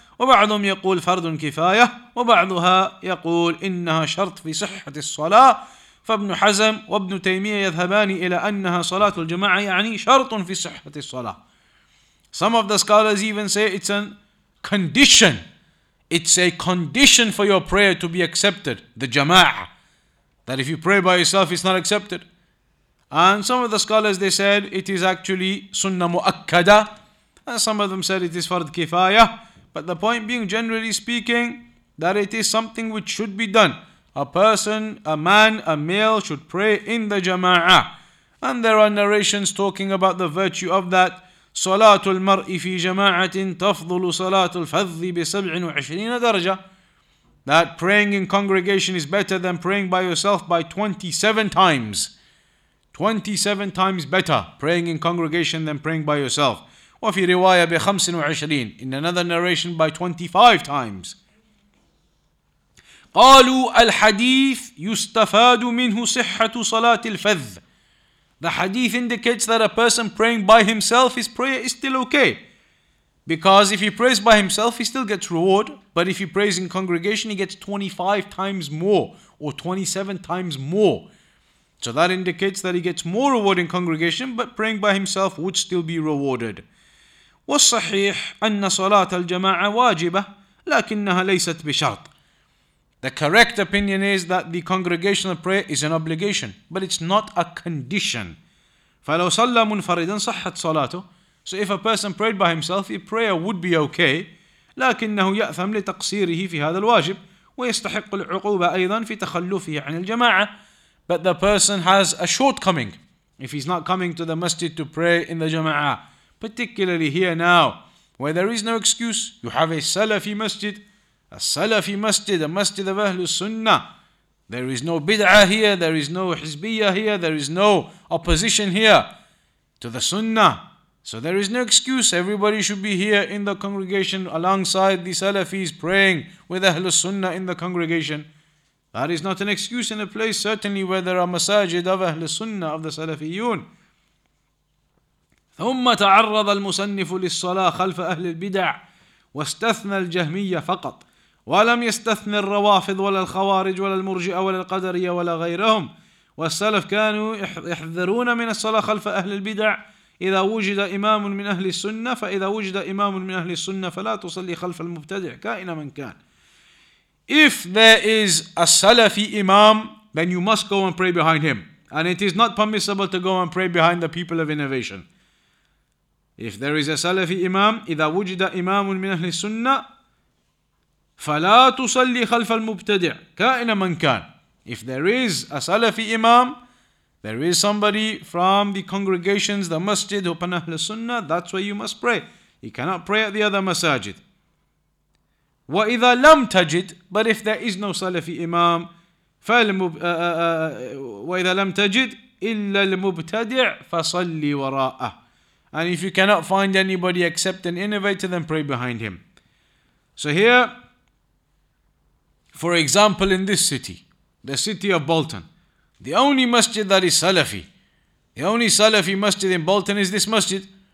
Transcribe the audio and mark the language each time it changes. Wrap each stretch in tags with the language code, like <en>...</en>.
<ar>وبعضهم يقول فرض كفاية وبعضها يقول إنها شرط في صحة الصلاة. فابن حزم وابن تيمية يذهبان إلى أنها صلاة الجماعة يعني شرط في صحة الصلاة.</ar> <en>Some of the scholars even say it's a condition. It's a condition for your prayer to be accepted, the jama'ah. That if you pray by yourself, it's not accepted. And some of the scholars, they said it is actually sunnah mu'akkada. And some of them said it is fard kifaya. But the point being, generally speaking, that it is something which should be done. A person, a man, a male should pray in the jama'ah. And there are narrations talking about the virtue of that.</en> <ar>Salatul mar'i fi jama'atin tafdulu salatul fadhi bi 27 darja.</ar> <en>That praying in congregation is better than praying by yourself by 27 times. 27 times better praying in congregation than praying by yourself.</en> <ar>وفي رواية بخمسين وعشرين.</ar> <en>In another narration by 25 times.</en> <ar>قالوا الحديث يستفاد منه صحة صلاة الفذ.</ar> <en>The hadith indicates that a person praying by himself, his prayer is still okay. Because if he prays by himself, he still gets reward. But if he prays in congregation, he gets 25 times more. Or 27 times more. So that indicates that he gets more reward in congregation, but praying by himself would still be rewarded.</en> <ar>والصحيح أن صلاة الجماعة واجبة لكنها ليست بشرط.</ar> <en>The correct opinion is that the congregational prayer is an obligation, but it's not a condition.</en> <ar>فلو صلى منفردا صحت صلاته.</ar> <en>So if a person prayed by himself, his prayer would be okay.</en> <ar>لكنه يأثم لتقصيره في هذا الواجب ويستحق العقوبة أيضا في تخلفه عن الجماعة.</ar> <en>But the person has a shortcoming if he's not coming to the masjid to pray in the jama'ah. Particularly here now, where there is no excuse, you have a Salafi masjid, a masjid of Ahlul Sunnah. There is no bid'ah here, there is no hizbiyah here, there is no opposition here to the Sunnah. So there is no excuse, everybody should be here in the congregation alongside the Salafis praying with Ahlul Sunnah in the congregation. That is not an excuse in a place, certainly where there are masajid of Ahlul Sunnah of the Salafiyun.</en> <ar>ثم تعرض المصنف للصلاة خلف أهل البدع واستثنى الجهمية فقط ولم يستثن الروافض ولا الخوارج ولا المرجئة ولا القدرية ولا غيرهم والسلف كانوا يحذرون من الصلاة خلف أهل البدع إذا وجد إمام من أهل السنة فإذا وجد إمام من أهل السنة فلا تصلي خلف المبتدع كائن من كان.</ar> <en>If there is a Salafi imam, then you must go and pray behind him, and it is not permissible to go and pray behind the people of innovation. If there is a Salafi imam,</en> <ar>إذا وجد إمام من أهل السنة فلا تصلي خلف المبتدع كائن من كان.</ar> <en>If there is a Salafi imam, there is somebody from the congregations, the masjid of أهل السنة, that's where you must pray. You cannot pray at the other masajid.</en> <ar>وإذا لم تجد,</ar> <en>but if there is no Salafi imam,</en> <ar>وإذا لم تجد إلا المبتدع فصلي وراءه.</ar> <en>And if you cannot find anybody except an innovator, then pray behind him. So here, for example, in this city, the city of Bolton, the only masjid that is Salafi, the only Salafi masjid in Bolton is this masjid.</en>